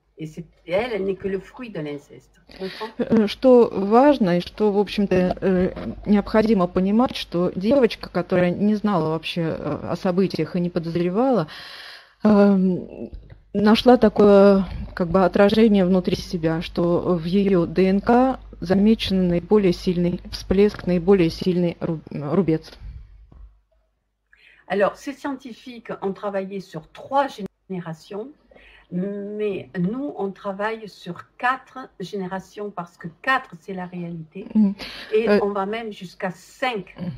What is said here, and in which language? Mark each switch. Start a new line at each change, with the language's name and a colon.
French: Et c'est elle, elle n'est que le fruit de l'inceste.
Russian: Что важно и что, в общем-то, необходимо понимать, что девочка, которая не знала вообще о событиях и не подозревала, нашла такое как бы отражение внутри себя, что в ее ДНК замечен наиболее сильный всплеск, наиболее сильный рубец.
French: Alors, ces scientifiques ont travaillé sur trois générations, mais nous, on travaille sur quatre générations parce que quatre, c'est la réalité. Et on va même jusqu'à cinq.